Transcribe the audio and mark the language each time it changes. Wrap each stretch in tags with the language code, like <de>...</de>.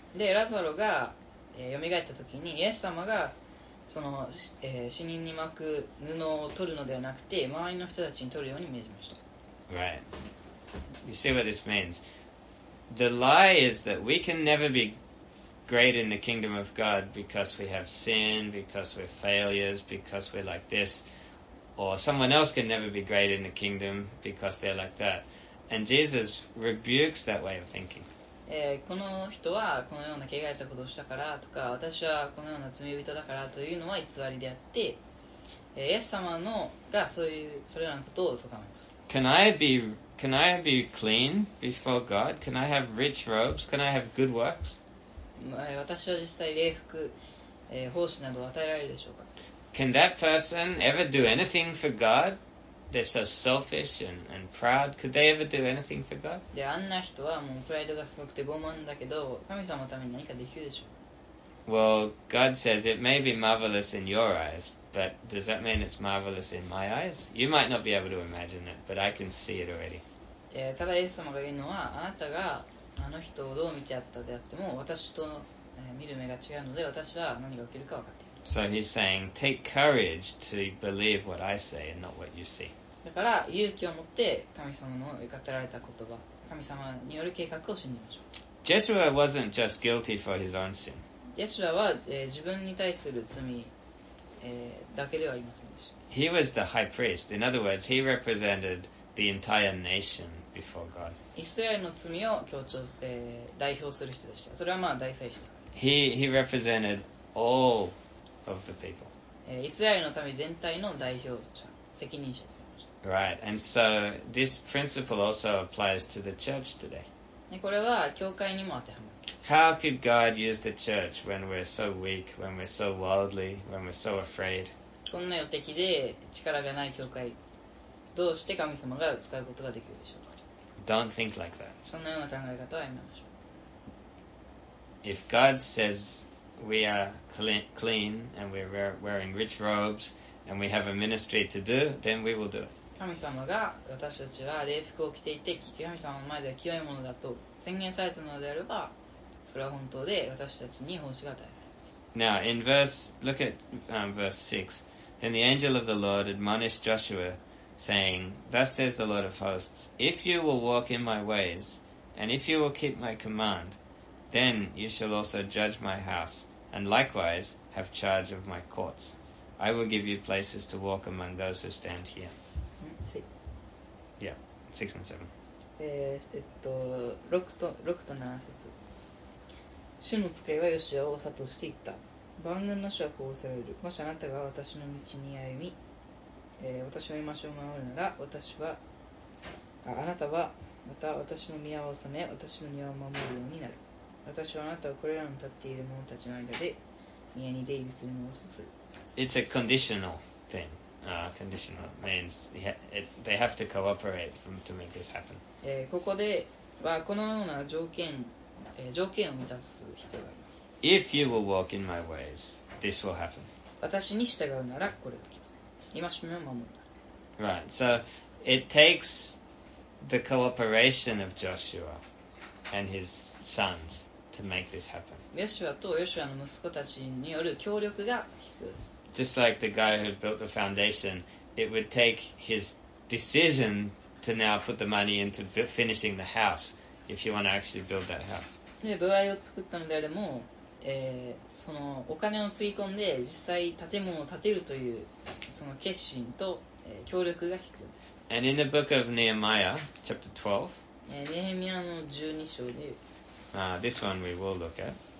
<ja>で、ラザロが、蘇った時にイエス様がその、死人に巻く布を取るのではなくて周りの人たちに取るように命じました。</ja> <en>Right. You see what this means. The lie is that we can never be great in the kingdom of God because we have sin, because we're failures, because we're like this. Or someone else can never be great in the kingdom because they're like that. And Jesus rebukes that way of thinking.</en> <ja>この人はこのような汚れたことをしたからとか私はこのような罪人だからというのは偽りであって、イエス様のがそういうそれらのことを咎めます。</ja> <en>Can I be clean before God? Can I have rich robes? Can I have good works?</en> <ja>私は実際礼服、奉仕などを与えられるでしょうか?</ja> <en>Can that person ever do anything for God? They're so selfish and proud. Could they ever do anything for God?</en> <ja>で、あんな人はもうプライドがすごくて傲慢だけど、神様のために何かできるでしょう。</ja> <en>Well, God says it may be marvelous in your eyes, but does that mean it's marvelous in my eyes? You might not be able to imagine it, but I can see it already.</en> <ja>ただイエス様が言うのは、あなたがあの人をどう見てあったであっても、私と見る目が違うので、私は何が起きるか分かっている。</ja> <en>So he's saying, take courage to believe what I say and not what you see.</en> <ja>だから勇気を持って神様の語られた言葉、神様による計画を信じましょう。</ja> <en>Jeshua wasn't just guilty for his own sin.</en> <ja>Yeshua は、自分に対する罪、だけではありませんでした。</ja> <en>He was the high priest. In other words, he represented the entire nation before God.</en> <ja>イスラエルの罪を強調、代表する人でした。それはまあ大祭司。</ja> <en>He represented all. Of the people.</en> <ja>イスラエルのため全体の代表者、責任者と言いました。</ja> <en>Right, and so this principle also applies to the church today.</en> <ja>これは教会にも当てはまります。</ja> <en>How could God use the church when we're so weak, when we're so worldly, when we're so afraid?</en> <ja>こんな予敵で力がない教会、どうして神様が使うことができるでしょうか?</ja> <en>Don't think like that.</en> <ja>そんなような考え方はやめましょう。</ja> <en>If God says,We are clean and we're wearing rich robes and we have a ministry to do, then we will do it.</en> <ja>神様が私たちは礼服を着ていて、神様の前では清いものだと宣言されたのであれば、それは本当で私たちに奉仕が与えられます。</ja> <en>Now, in verse, look at verse 6. Then the angel of the Lord admonished Joshua, saying, Thus says the Lord of hosts, If you will walk in my ways, and if you will keep my command, then you shall also judge my house, and likewise have charge of my courts. I will give you places to walk among those who stand here. Six. Yeah, six and seven.</en> <ja>6と7節。主の使いはヨシアを諭していった。万軍の主はこうおっしゃられる。もしあなたが私の道に歩み、私の居場所を守るなら、あなたはまた私の宮を治め、私の庭を守るようになる。私はあなたをこれらの立っている者たちの間で宮に出入りするのを勧める。</ja> <en>It's a conditional thing. Conditional means they have to cooperate to make this happen.</en> <ja>ここではこのような条件条件を満たす必要があります。</ja> <en>If you will walk in my ways, this will happen.</en> <ja>私に従うならこれが来ます。今しめを守る。</ja> <en>Right. So it takes the cooperation of Joshua and his sons to make this happen.</en> <ja>ヨシュアとヨシュアの息子たちによる協力が必要です。</ja> <en>Just like the guy who built the foundation, it would take his decision to now put the money into finishing the house. If you want to actually build that house.</en> <ja>で、土台を作ったのであれも、そのお金をつぎ込んで実際建物を建てるというその決心と、協力が必要です。</ja> <en>And in the book of Nehemiah, chapter 12.</en> <ja>ネヘミヤの12章で。</ja> <en>This one we will look at.</en>